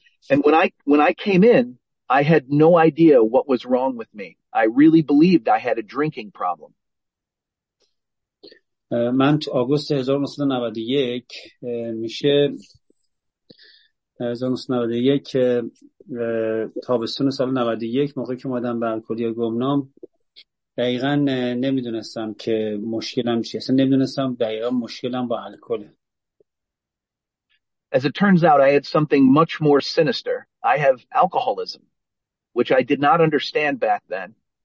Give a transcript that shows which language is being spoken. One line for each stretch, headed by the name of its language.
English: And when I came in, I had no idea what was wrong with me. I really believed I had a drinking problem.
Persian: من تو آگوست 1991 میشه 1991 تابستون سال 91 موقعی که اومدم به الکلی گمنام، دقیقا نمیدونستم که مشکلم چیه. اصلا نمیدونستم دقیقا مشکلم با الکله.
English: As it turns out, I had something much more sinister. I have alcoholism, which I did not understand back then.